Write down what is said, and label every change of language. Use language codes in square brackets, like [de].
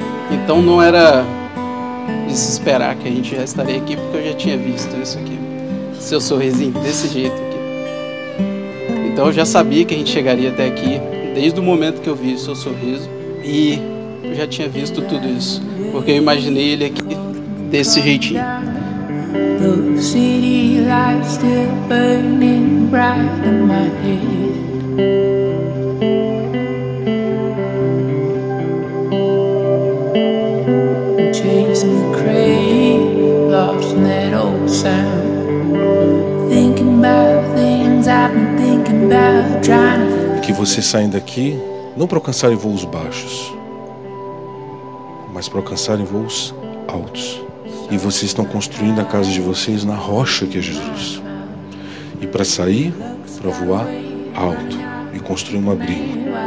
[pt] Então não era de se esperar que a gente já estaria aqui, porque eu já tinha visto isso aqui. Seu sorrisinho desse jeito aqui. Então eu já sabia que a gente chegaria até aqui, desde o momento que eu vi seu sorriso. E eu já tinha visto tudo isso, porque eu imaginei ele aqui desse jeitinho. [en] The city lights still burning bright in my head. Chasing the crave, lost in that old sound. Thinking about things I've been thinking about, trying to. [pt] Que você saindo daqui não para alcançar em voos baixos, mas para alcançar em voos altos. E vocês estão construindo a casa de vocês na rocha que é Jesus. E para sair, para voar alto e construir um abrigo.